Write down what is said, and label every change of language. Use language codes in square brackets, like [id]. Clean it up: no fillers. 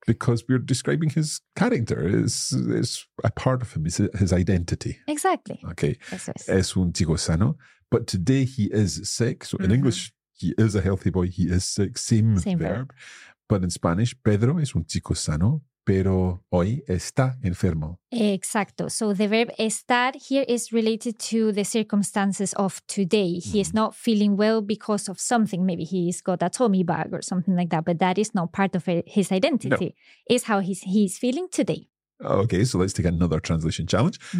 [en] Because we're describing his character, it's a part of him, it's his identity. Exactly. Okay, [es] eso es. Es un chico sano, [en] but today he is sick. So in English, he is a healthy boy, he is sick, same verb. But in Spanish, [es] Pedro es un chico sano, pero hoy está enfermo. Exacto, [en] so the verb estar here is related to the circumstances of today. He is not feeling well because of something. Maybe he's got a tummy bug or something like that, but that is not part of his identity. No. It's how he's feeling today. Okay, so let's take another translation challenge.